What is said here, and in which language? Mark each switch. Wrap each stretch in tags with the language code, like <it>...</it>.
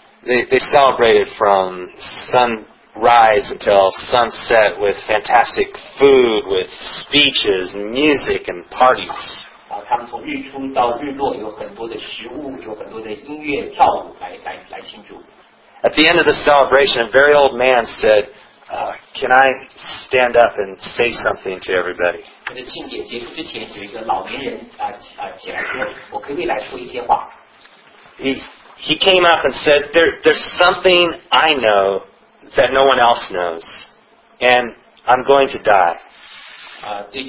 <en>They celebrated from sunrise until sunset with fantastic food, with speeches, music, and parties.</en> <zh>他们从日出到日落有很多的食物，有很多的音乐、跳舞来庆祝。</zh> <en>At the end of the celebration, a very old man said, can I stand up and say something to everybody?</en> <zh>在庆典结束之前，有一个老年人起来说，我可不可以来说一些话？</zh> <en>He came up and said, there's something I know that no one else knows, and I'm going to die.</en>